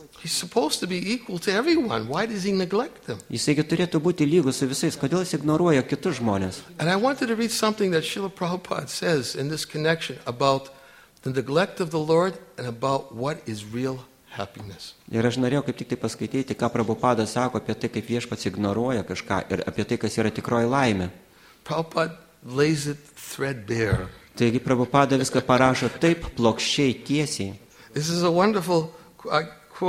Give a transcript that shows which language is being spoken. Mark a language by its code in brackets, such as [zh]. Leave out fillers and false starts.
[en] He's supposed to be equal to everyone. Why does he neglect them? [lt] Jisai turėtų būti lygus su visais. Kodėl jis ignoruoja kitus žmones? [en] And I wanted to read something that Srila Prabhupada says in this connection about the neglect of the Lord and about what is real happiness. [lt] Ir aš norėjau kaip tik tai paskaityti, ką Prabhupada sako apie tai, kaip viešpats ignoruoja kažką ir apie tai, kas yra tikroji laimė. [en] Prabhupada lays it threadbare. [lt] Taigi Prabhupada viską parašo taip plokščiai tiesiai. [en] This is a wonderful quote.